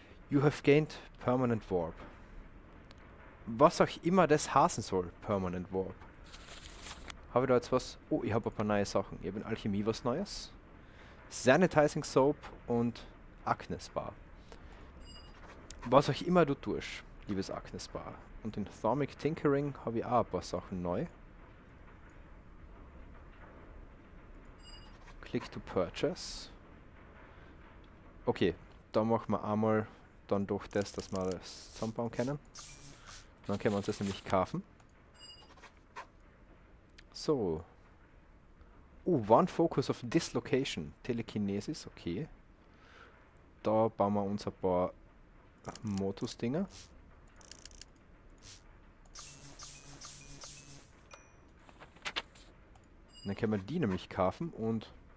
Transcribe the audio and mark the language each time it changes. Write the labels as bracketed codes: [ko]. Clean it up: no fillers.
[en] You have gained permanent warp. [de] Was auch immer das heißen soll, permanent warp. Habe ich da jetzt was? Oh, ich habe ein paar neue Sachen. Ich habe in Alchemie was Neues. Sanitizing Soap und Agnes Bar. Was auch immer du tust, liebes Agnes Bar. Und in Thormic Tinkering habe ich auch ein paar Sachen neu. [en] Click to purchase. [de] Okay, da machen wir einmal dann doch das, dass wir das zusammenbauen können. Dann können wir uns das nämlich kaufen. So. [en] Oh, one focus of dislocation. Telekinesis, okay. [de] Da bauen wir uns ein paar Motus-Dinger. Dann können wir die nämlich kaufen und.